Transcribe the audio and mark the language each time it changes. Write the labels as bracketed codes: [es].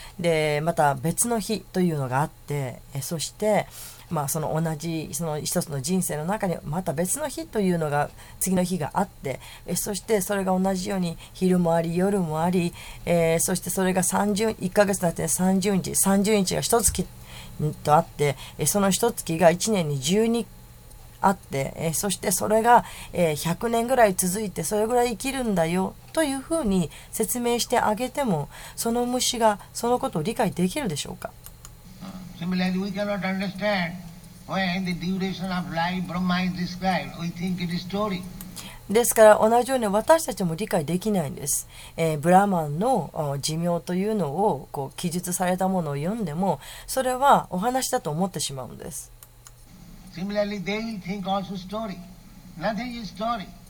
[ja] で、また別の日というのがあって、そして、まあ、その同じその一つの人生の中にまた別の日というのが次の日があって、そしてそれが同じように昼もあり夜もあり、そしてそれが1ヶ月だって30日が1月とあって、その1月が1年に12あって、そしてそれが100年ぐらい続いてそれぐらい生きるんだよというふうに説明してあげても、その虫がそのことを理解できるでしょうか。 [en] Similarly, we cannot understand when the duration of life Brahma is described. We think it is story. [ja] ですから同じように私たちも理解できないんです。ブラマンの寿命というのをこう記述されたものを読んでも、それはお話だと思ってしまうんです。 [en] Similarly, they think also story. Nothing is story.